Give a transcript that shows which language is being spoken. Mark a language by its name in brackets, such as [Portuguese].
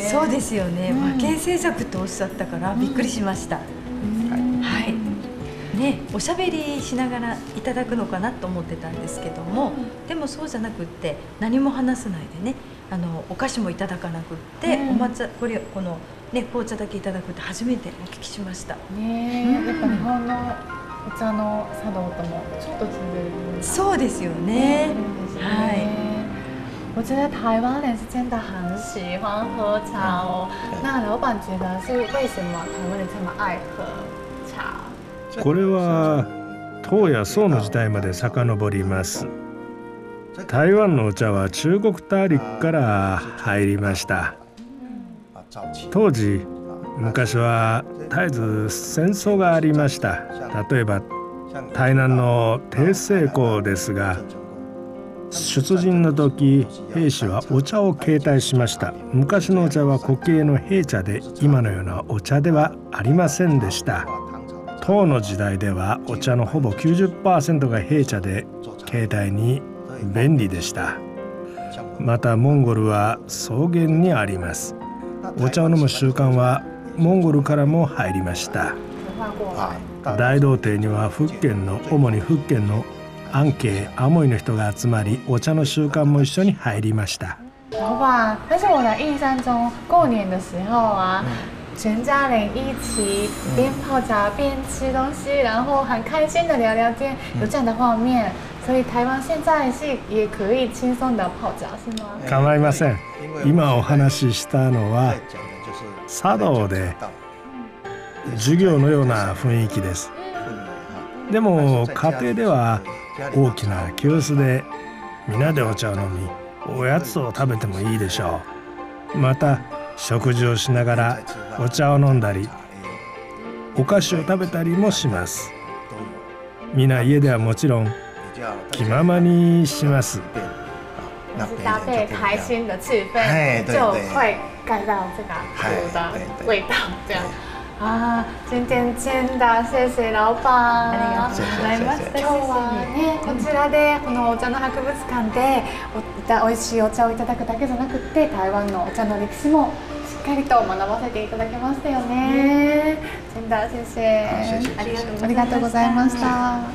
[Japanese] そうですよね、うん、和牽制作っておっしゃったからびっくりしました、うん、はい、ね、おしゃべりしながらいただくのかなと思ってたんですけども、うん、でもそうじゃなくって何も話さないでね、お菓子もいただかなくって、うん、お抹茶、これこの、ね、紅茶だけいただくって初めてお聞きしました。ねえ、うん、やっぱ日本のお茶の茶道ともちょっと通じるような。そうですよね、うん、はい、 [Chinese] 我觉得台湾人是真的很喜欢喝茶哦。那老板觉得是为什么台湾人这么爱喝茶？ [Japanese] これは唐や宋の時代まで遡ります。台湾のお茶は中国大陸から入りました。当時昔は絶えず戦争がありました。例えば台南の鄭成功ですが、出陣の時兵士はお茶を携帯しました。昔のお茶は固形の兵茶で、今のようなお茶ではありませんでした。唐の時代ではお茶のほぼ 90% が兵茶で、携帯に便利でした。またモンゴルは草原にあります。お茶を飲む習慣はモンゴルからも入りました。大道亭には福建の、主に福建の安徽アモイの人が集まり、お茶の習慣も一緒に入りました。 [Chinese] 老板、但是我的印象中过年的时候啊、全家人一起边泡茶边吃东西、然后很开心的聊聊天、有这样的画面。所以台湾现在是也可以轻松的泡茶是吗？ [Japanese] 構いません。今お話ししたのは茶道で、授業のような雰囲気です。でも家庭では大きな急須で皆でお茶を飲み、おやつを食べてもいいでしょう。また食事をしながらお茶を飲んだり、お菓子を食べたりもします。皆家ではもちろん気ままにします。 [Chinese] 搭配开心的气氛，就会盖到这个茶的味道，这样啊。今天真的谢谢老板， [Japanese] ありがとうございました。今日はね、こちらでこのお茶の博物館で美味しいお茶をいただくだけじゃなくて、台湾のお茶の歴史もしっかりと学ばせていただきましたよね。 [Chinese] 真的谢谢， [Japanese] ありがとうございました。